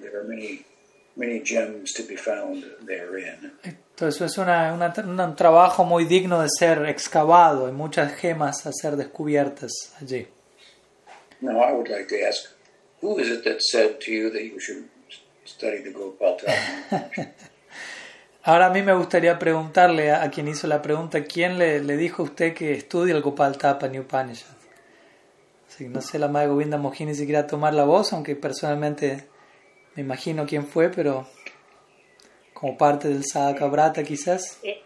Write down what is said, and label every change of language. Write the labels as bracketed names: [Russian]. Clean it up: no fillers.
[English] There are many, many gems to be found therein. [Spanish] Entonces es un trabajo muy digno de ser excavado y muchas gemas a ser descubiertas allí. [English] Now I would like to ask, who is it that said to you that you should study the Gopal Tattva? [Spanish] Ahora a mí me gustaría preguntarle a quien hizo la pregunta, ¿quién le dijo a usted que estudie el Gopal Tattva ni Upanishad? Sí, no sé, la madre Govinda Mohi ni siquiera tomar la voz, aunque personalmente me imagino quién fue, pero como parte del Sadaka Brata quizás.